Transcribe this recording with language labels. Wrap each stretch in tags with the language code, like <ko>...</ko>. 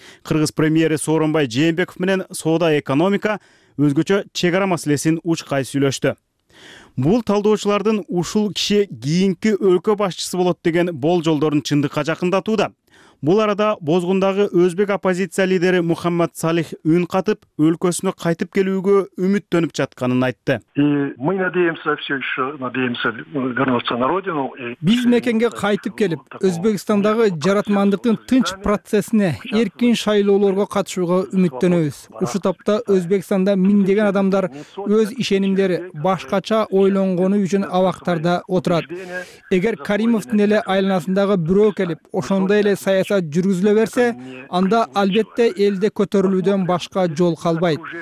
<ky>Кыргыз премьери Сооронбай Жээнбеков менен соода экономика өзгөчө чек ара маселесин учкай сүйлөштү. Бул талдоочулардын ушул киши кийинки өлкө башчысы болот деген болжолдорун чындыкка жакындатууда. Бул арада Бозгундагы өзбек оппозиция лидери Мухаммад Салих үн катып, өлкөсүнө кайтып келүүгө үмүттөнүп жатканын айтты.</ky> <ru>Мы надеемся все еще, вернуться на родину.</ru> <ky>Биз мекенге кайтып келип, Өзбекстандагы жаратмандыктын тынч процессине, эркин шайлоолорго катышууга үмүттөнөбүз. Ушул тапта Өзбекстанда миңдеген адамдар өз ишенимдери башкача ойлонгону үчүн абактарда отурат. Эгер Каримовдун эле айланасындагы бирөө келип, ошондой эле саясат жүргүзүлө берсе, анда албетте элде көтөрүлүүдөн башка жол калбайт.</ky>